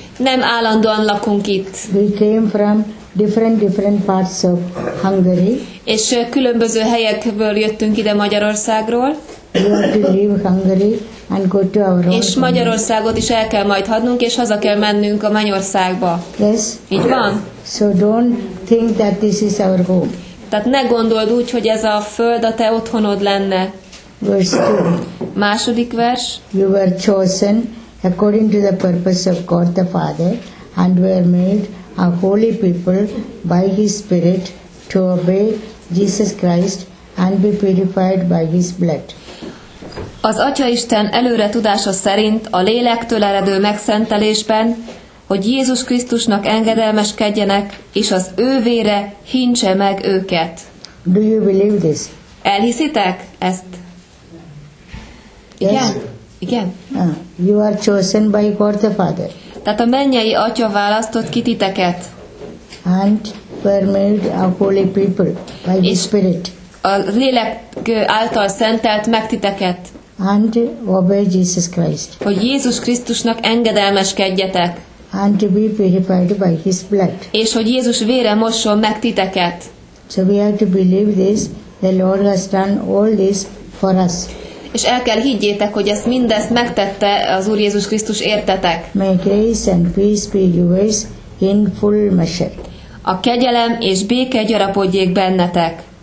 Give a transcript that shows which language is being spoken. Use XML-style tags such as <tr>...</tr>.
<hu>Nem állandóan lakunk itt.</hu> <en>We came from different parts of Hungary.</en> <hu>És különböző helyekből jöttünk ide Magyarországról.</hu> <en>We have to leave Hungary and go to our</en> <hu>és Magyarországot is el kell majd hagynunk, és haza kell mennünk a Mennyországba.</hu> <en>Yes.</en> <hu>Így van?</hu> <en>So don't think that this is our home.</en> <hu>Tehát ne gondold úgy, hogy ez a föld a te otthonod lenne.</hu> <en>Verse 2.</en> <hu>Második vers.</hu> <en>You were chosen according to the purpose of God the Father and were made a holy people by His Spirit to obey Jesus Christ and be purified by his blood.</en> <hu>Az Atyaisten előre tudása szerint a lélektől eredő megszentelésben, hogy Jézus Krisztusnak engedelmeskedjenek, és az ő vére hintse meg őket.</hu> <en>Do you believe this?</en> <hu>Elhiszitek ezt? Igen? Igen?</hu> <en>You are chosen by God the Father.</en> <hu>Tehát a mennyei Atya választott ki titeket.</hu> <en>And were made a holy people by the Spirit.</en> <hu>A lélek által szentelt meg titeket.</hu> <en>And obey Jesus Christ.</en> <hu>Hogy Jézus Krisztusnak engedelmeskedjetek.</hu> <en>And to be purified by his blood.</en> <hu>És hogy Jézus vére mosson meg titeket.</hu> <en>So we have to believe this, the Lord has done all this for us.</en> <hu>És el kell higgyétek, hogy ezt mindezt megtette az Úr Jézus Krisztus értetek.</hu> <en>May grace and peace be yours in full measure.</en> <hu>A kegyelem és béke gyarapodjék bennetek.</hu>